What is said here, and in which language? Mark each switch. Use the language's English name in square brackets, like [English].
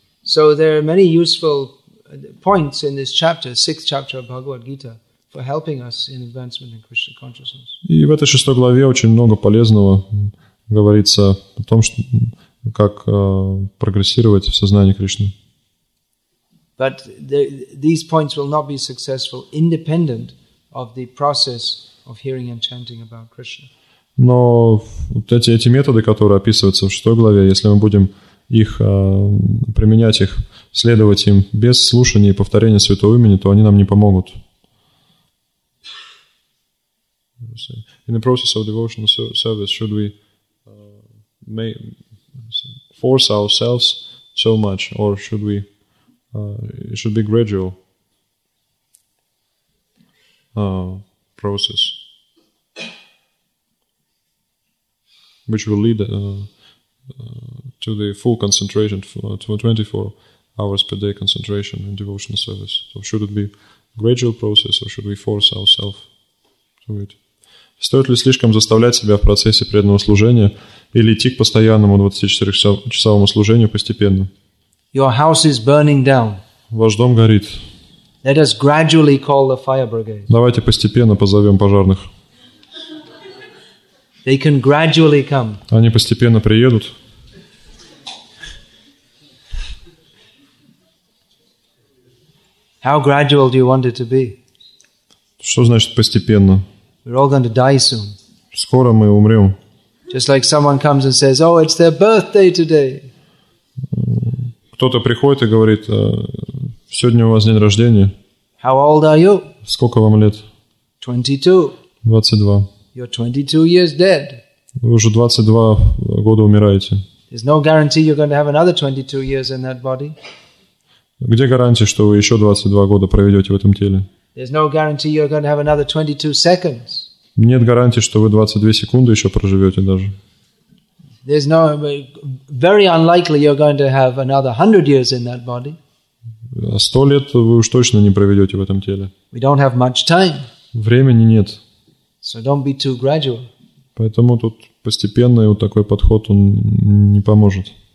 [English] So there are many useful points in this chapter, sixth chapter of Bhagavad Gita, for helping us in advancement in Krishna consciousness. [Russian] И в этой шестой главе очень много полезного говорится о том, что как прогрессировать в сознании Кришны. [English] But these points will not be successful independent of the process of hearing and chanting about Krishna. [Russian] Но вот эти методы, которые описываются в шестой главе, если мы будем их применять, их следовать им без слушания и повторения святого имени, то они нам не помогут. [English] In the process of devotional service, should we force ourselves so much, or should we? It should be gradual process, which will lead to the full concentration, to 24 hours per day concentration in devotional service. So, should it be gradual process, or should we force ourselves to it? [Russian] Стоит ли слишком заставлять себя в процессе преданного служения или идти к постоянному 24-часовому служению постепенно? [English] Your house is burning down. [Russian] Ваш дом горит. [English] Let us gradually call the fire brigade. [Russian] Давайте постепенно позовем пожарных. [English] They can gradually come. [Russian] Они постепенно приедут. [English] How gradual do you want it to be? [Russian] Что значит постепенно? [English] We're all going to die soon. [Russian] Скоро мы умрем. [English] Just like someone comes and says, "Oh, it's their birthday today." [Russian] Кто-то приходит и говорит: "Сегодня у вас день рождения." [English] How old are you? [Russian] Сколько вам лет? [English] 22. [Russian] 22. [English] You're 22 years dead. [Russian] Вы уже 22 года умираете. [English] There's no guarantee you're going to have another 22 years in that body. [Russian] Где гарантия, что вы еще 22 года проведете в этом теле? [English] There's no guarantee you're going to have another 22 seconds. [Russian] Нет гарантии, что вы 22 секунды еще проживете даже. [English] There's no very unlikely you're going to have another 100 years in that body. [Russian] 100 лет вы уж точно не проведете в этом теле. [English] We don't have much time. [Russian] Времени нет. [English] So don't be too gradual. [Russian] Поэтому тут постепенный вот такой подход, он не поможет.